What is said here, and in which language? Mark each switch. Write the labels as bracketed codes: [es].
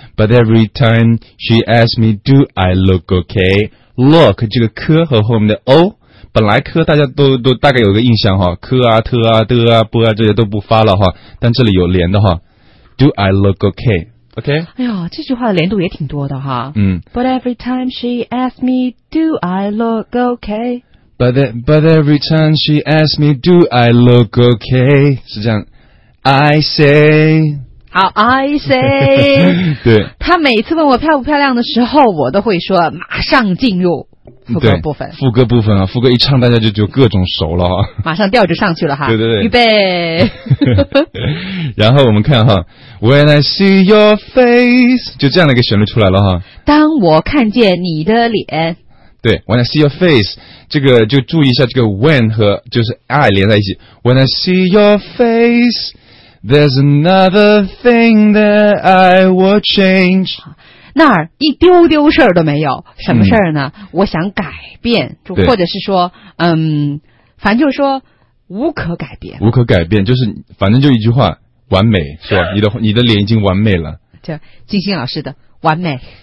[en] But every time she asks me, do I look okay? Look [zh] 这个 科 和后面的 o, 本来 科 大家都大概有个印象哈，科啊、特啊、的啊、不啊这些都不发了哈，但这里有连的哈。 [en] Do I look okay? Okay? [zh] 哎呀，这句话的连度也挺多的哈。嗯。 [en] But every time she asks me, do I look okay? But every time she asks me, do I look okay? [zh] 是这样 ， [en] I say. [zh] 好 [en] ，I say. [zh] 对。他每次问我漂不漂亮的时候，我都会说马上进入副歌部分。副歌部分啊，副歌一唱，大家就各种熟了哈。马上调就上去了哈。对对对。预备。然后我们看哈 ， [en] When I see your face, [zh] 就这样的一个旋律出来了哈。当我看见你的脸。对 ， [en] When I see your face, [zh] 这个就注意一下这个 when 和就是 I 连在一起。 [en] When I see your face, there's another thing that I will change. [zh] 那儿一丢丢事儿都没有，什么事儿呢、嗯？我想改变，就或者是说，嗯，反正就是说无可改变。无可改变，就是反正就一句话，完美是吧？你的脸已经完美了。这金星老师的完美。